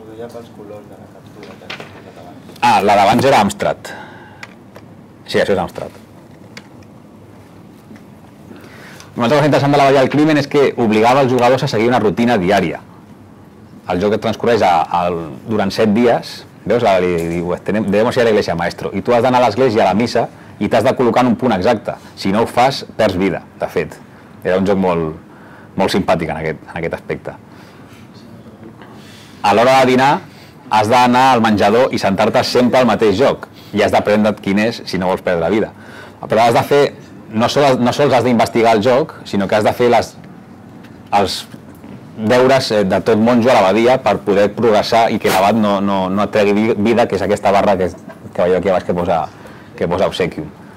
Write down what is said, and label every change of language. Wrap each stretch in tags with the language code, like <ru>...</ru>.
<ca>Ho deia pels colors de la captura que has fet abans. Ah, la d'abans era Amstrad. Sí, això és Amstrad. Una altra cosa interessant de la Vall del Crimen és que obligava els jugadors a seguir una rutina diària. El joc et transcorreix durant 7 dies. Veus? Li diu,</ca> <es>debemos ir a la iglesia, maestro.</es> <ca>I tu has d'anar a l'església a la missa i t'has de col·locar en un punt exacte. Si no ho fas, perds vida, de fet. Era un joc molt, molt simpàtic en aquest aspecte. A l'hora de dinar, has d'anar al menjador i sentar-te sempre al mateix lloc. I has d'aprendre't quin és si no vols perdre vida. Però has de fer, no sols has d'investigar el joc, sinó que has de fer els deures de tot monjo a l'abadia per poder progressar i que l'abat no et tregui vida, que és aquesta barra que veieu aquí a baix que posa obsequium.</ca>